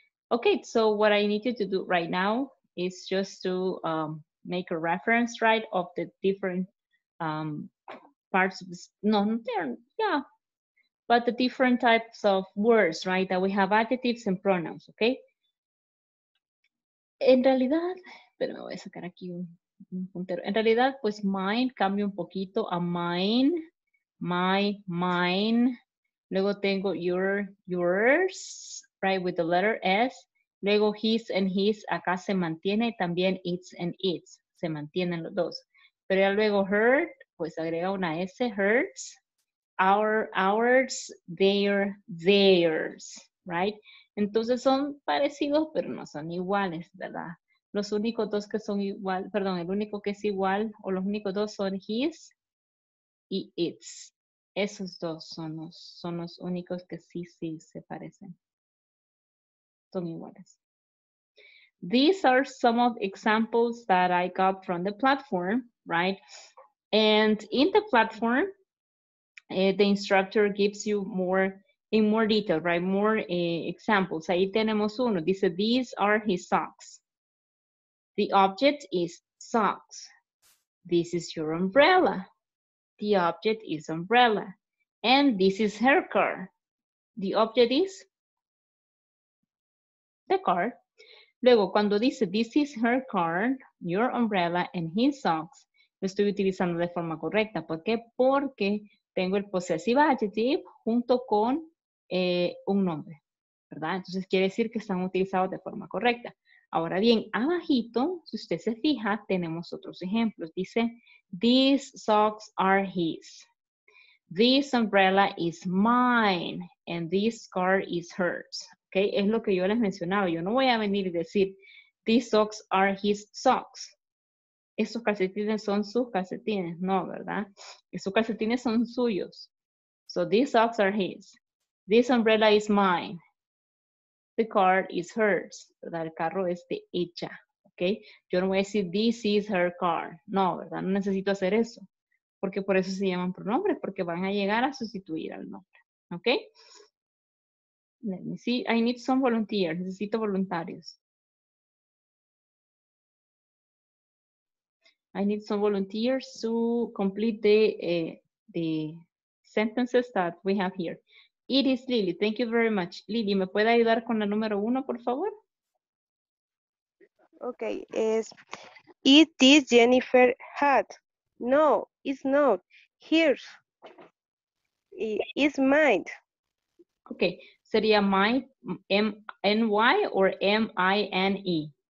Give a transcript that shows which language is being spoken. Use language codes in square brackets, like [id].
[en] Okay, so what I need you to do right now is just to make a reference, right, of the different parts of this, but the different types of words, right, that we have adjectives and pronouns, okay? [es] En realidad, pero me voy a sacar aquí un puntero. En realidad, pues, mine cambia un poquito a mine, my, mine. Luego tengo [en] your, yours, right, with the letter S. [es] Luego his and his, acá se mantiene, también its and its. Se mantienen los dos. Pero ya luego hurt, pues agrega una S, hurts. [en] Our, ours, their, theirs, right? [es] Entonces son parecidos, pero no son iguales, ¿verdad? Los únicos dos que son igual, perdón, el único que es igual, o los únicos dos son his y its. Esos dos son los únicos que sí, sí se parecen. Son iguales. [en] These are some of examples that I got from the platform, right? And in the platform, the instructor gives you more, in more detail, right? More examples. [es] Ahí tenemos uno. Dice, [en] these are his socks. The object is socks. This is your umbrella. The object is umbrella. And this is her car. The object is the car. [es] Luego, cuando dice, [en] this is her car, your umbrella, and his socks, [es] lo estoy utilizando de forma correcta. ¿Por qué? Porque tengo el possessive adjective junto con un nombre, ¿verdad? Entonces, quiere decir que están utilizados de forma correcta. Ahora bien, abajito, si usted se fija, tenemos otros ejemplos. [en] Dice, these socks are his. This umbrella is mine. and this car is hers. Okay, [es] es lo que yo les mencionaba. Yo no voy a venir y decir, [en] these socks are his socks. [es] Esos calcetines son sus calcetines. No, ¿verdad? Esos calcetines son suyos. [en] So these socks are his. This umbrella is mine. The car is hers. [es] ¿Verdad? El carro es de ella. Okay. Yo no voy a decir, [en] this is her car. [es] No, ¿verdad? No necesito hacer eso. Porque por eso se llaman pronombres, porque van a llegar a sustituir al nombre. [en] Ok. Let me see. I need some volunteers. [es] Necesito voluntarios. [en] I need some volunteers to complete the sentences that we have here. It is Lily. Thank you very much. [es] Lily, ¿me puede ayudar con la número uno, por favor? [en] Okay, is it this Jennifer hat? No, it's not. Here, it's mine. [es] Okay, sería my, M-N-Y or M-I-N-E?